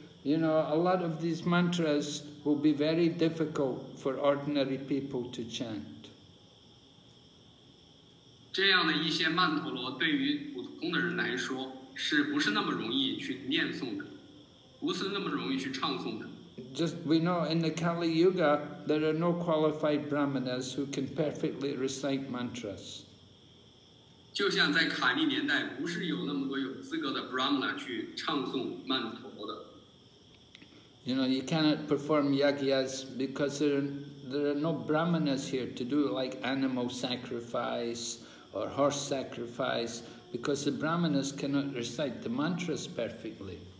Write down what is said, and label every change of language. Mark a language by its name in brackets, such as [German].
[English] You know, a lot of these mantras will be very difficult for ordinary people to chant. [Chinese] 这样的一些曼陀罗对于普通的人来说是不是那么容易去念诵的，不是那么容易去唱诵的。 [English] Just we know in the Kali Yuga there are no qualified brahmanas who can perfectly recite mantras. [Chinese] 就像在卡利年代，不是有那么多有资格的 brahmana 去唱诵曼陀罗的。 [English] You know, you cannot perform yagyas because there are no brahmanas here to do like animal sacrifice or horse sacrifice, because the brahmanas cannot recite the mantras perfectly.